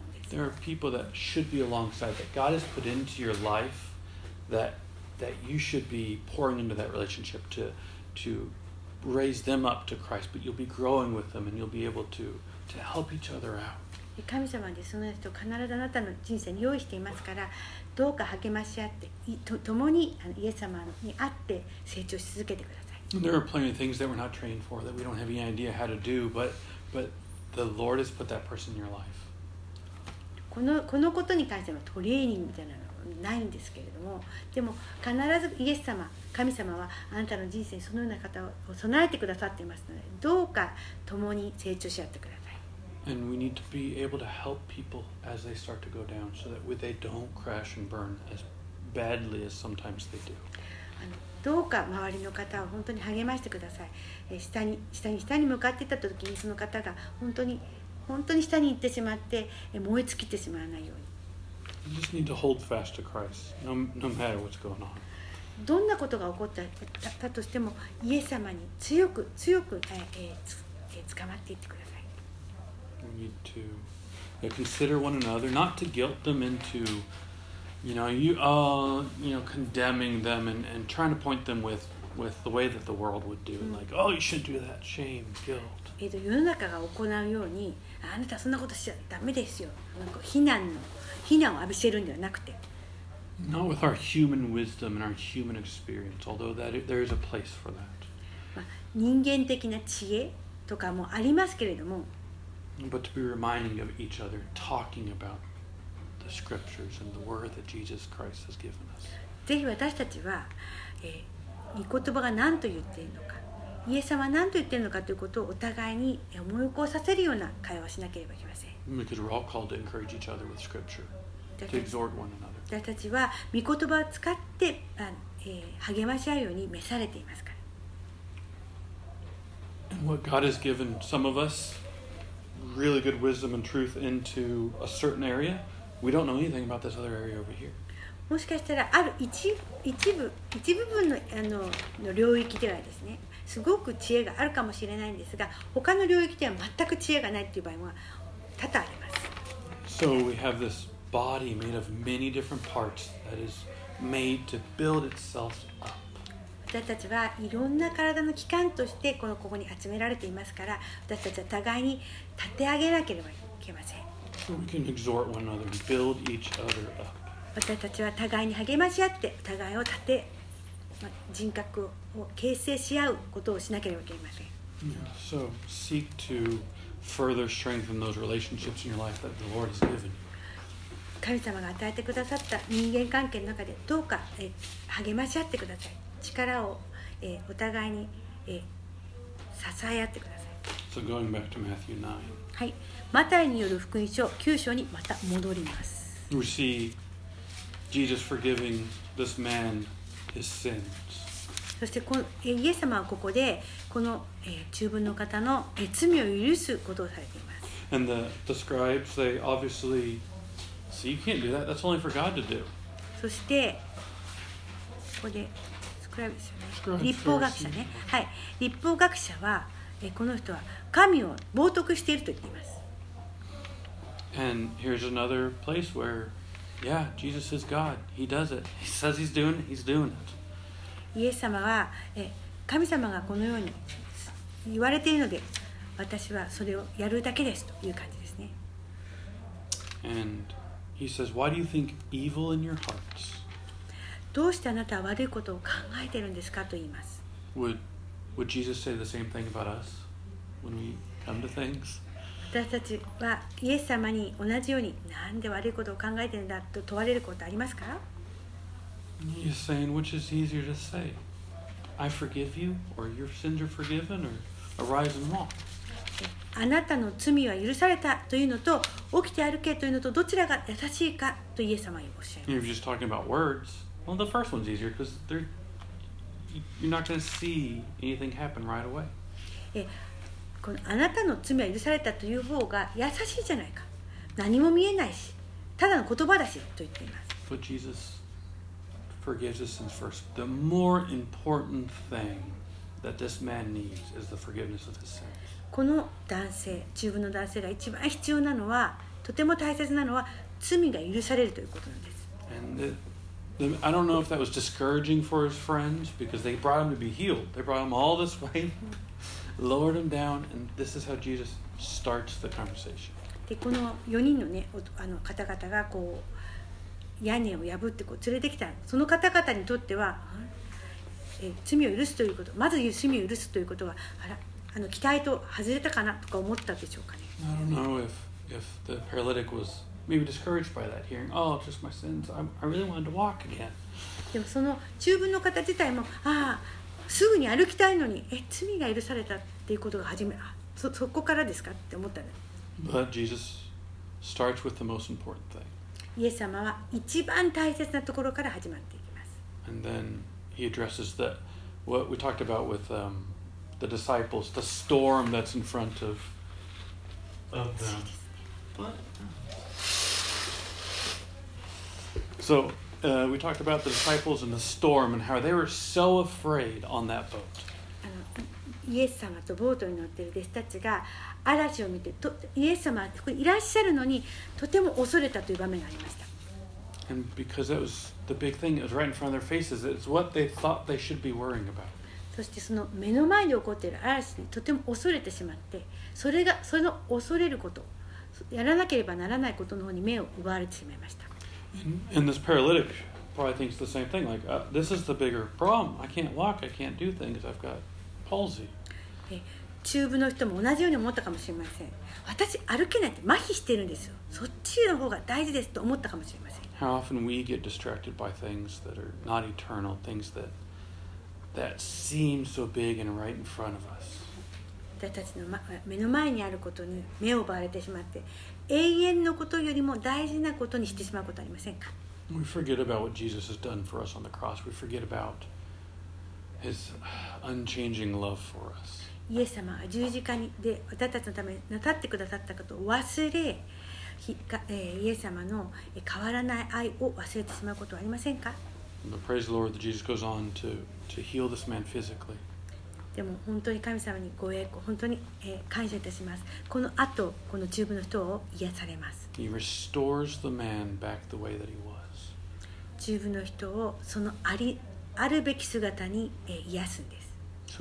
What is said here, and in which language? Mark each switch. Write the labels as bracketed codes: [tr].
[en] There are people that should be alongside that God has put into your life that you should be pouring into that relationship to raise them up to Christ, but you'll be growing with them and you'll be able to help each other out. [ja] 神様でその人必ずあなたの人生に用意していますから、どうか励まし合って共にイエス様に会って成長し続けてください。 [en] There are plenty of things that we're not trained for that we don't have any idea how to do, but The Lord has put that person in your life. [ja] このことに関してはトレーニングみたいなのはないんですけれども、でも必ずイエス様、神様はあなたの人生にそのような方を備えてくださっていますので、どうか共に成長し合ってください。 [en] And we need to be able to help people as they start to go down, so that they don't crash and burn as badly as sometimes they do. [ja] どうか周りの方を本当に励ましてください。下に向かっていった時にその方が本当に下に行ってしまって燃え尽きてしまわないように。 [en] You just need to hold fast to Christ, no matter what's going on. [ja] どんなことが起こったとしても、イエス様に強く捕まっていってください。 [en] We need to consider one another, not to guilt them into, you know, condemning them and trying to point them with with the way that the world would do, like, oh, you shouldn't do that, shame, guilt. [ja] 世の中が行うように、あなたそんなことしちゃダメですよ。なんか非難を浴びせるんではなくて。 [en] Not with our human wisdom and our human experience, although that there is a place for that. [ja] 人間的な知恵とかもありますけれども。 [en] But to be reminding of each other, talking about the scriptures and the word that Jesus Christ has given us. [ja] ぜひ私たちは、御言葉が何と言っているのか、イエス様は何と言っているのかということをお互いに思い起こさせるような会話をしなければいけません。 [en] We could all call to encourage each other with scripture, to exhort one another. [ja] 私たちは御言葉を使って、励まし合うように召されていますから。 [en] And what God has given some of us really good wisdom and truth into a certain area, we don't know anything about this other area over here. [ja] もしかしたらある一部分の領域ではですね、すごく知恵があるかもしれないんですが、他の領域では全く知恵がないという場合は多々あります。 [en] So we have this body made of many different parts that is made to build itself up. [ja] 私たちはいろんな体の器官としてここに集められていますから、私たちは互いに立て上げなければいけません。 [en] So we can exhort one another and build each other up. [ja] 私たちは互いに励まし合って、互いを立て、人格を形成し合うことをしなければいけません。 [en] So, seek to further strengthen those relationships in your life that the Lord has given you. [ja] 神様が与えてくださった人間関係の中で、どうか励まし合ってください。力をお互いに支え合ってください。 [en] So, going back to Matthew 9. [ja] はい。マタイによる福音書9章にまた戻ります。 [en] We seeJesus forgiving this man his sins. [ja] そしてイエス様はここでこの中分の方の罪を許すことをされています。 [en] And the scribes, they obviously see you can't do that. That's only for God to do. [ja] そしてここでスクライブですよね。律法学者ね。はい。律法学者はこの人は神を冒涜していると言っています。 [en] And here's another place where. Yeah, Jesus is God. He does it. He says he's doing it. He's doing it. [ja] イエス様は神様がこのように言われているので、私はそれをやるだけですという感じですね。 [en] And he says, "Why do you think evil in your hearts?" [ja] どうしてあなたは悪いことを考えているんですかと言います。 [en] Would Jesus say the same thing about us when we come to things? [ja] 私たちはイエス様に同じようになんで悪いことを考えているんだと問われることありますか？ [en] He's saying, which is easier to say? I forgive you, or your sins are forgiven, or arise and walk. [ja] あなたの罪は許されたというのと、起きて歩けというのと、どちらが優しいかとイエス様におっしゃいます。 [en] You're just talking about words. Well, the first one's easier because you're not going to see anything happen right away. [ja] このあなたの罪は許されたという方が優しいじゃないか。何も見えないし、ただの言葉だしと言っています。 [en] But Jesus forgives us first. The more important thing that this man needs is the forgiveness of his sins. [ja] この男性、中分の男性が一番必要なのは、とても大切なのは、罪が許されるということなんです。 [en] And I don't know if that was discouraging for his friends because they brought him to be healed. They brought him all this way. Lowered him down, and this is how Jesus starts the conversation. [ja] で、この4人のね、方々がこう屋根を破ってこう連れてきた。その方々にとっては、罪を許すということ、まず罪を許すということは、あら、期待と外れたかなとか思ったでしょうかね。 [en] I don't know if the paralytic was maybe discouraged by that hearing. Oh, it's just my sins. I really wanted to walk again. [ja] でもその中分の方自体も、ああ。すぐに歩きたいのに、罪が許されたっていうことが始め、そこからですかって思ったの。 [en] But Jesus starts with the most important thing. [ja] イエス様は一番大切なところから始まっていきます。 [en] And then he addresses the what we talked about with the disciples, the storm that's in front of them. So. We talked about the disciples and the storm and how they were so afraid on that boat. [ja] イエス様とボートに乗っている弟子たちが嵐を見て、イエス様がいらっしゃるのにとても恐れたという場面がありました。 [en] And because that was the big thing, it was right in front of their faces. It's what they thought they should be worrying about. [ja] そしてその目の前で起こっている嵐にとても恐れてしまって、それがその恐れること、やらなければならないことの方に目を奪われてしまいました。 [en] And this paralytic probably thinks the same thing, like, this is the bigger problem. I can't walk, I can't do things, I've got palsy. [ja] 中部の人も同じように思ったかもしれません。私歩けないって麻痺してるんですよ、そっちの方が大事ですと思ったかもしれません。 [en] How often we get distracted by things that are not eternal, things that, that seem so big and right in front of us. [ja] 私たちの目の前にあることに目を奪われてしまって、永遠のことよりも大事なことにしてしまうことありませんか。 [en] We forget about what Jesus has done for us on the cross. We forget about his unchanging love for us. [ja] イエス様は十字架で私たちのためになさってくださったことを忘れ、イエス様の変わらない愛を忘れてしまうことはありませんか。 [en] But praise the Lord that Jesus goes on to heal this man physically. [ja] でも本当に神様にご栄光、本当に感謝いたします。この後この中部の人を癒されます。 [en] He restores the man back the way that he was. [ja] 中部の人をそのありあるべき姿に癒すんです。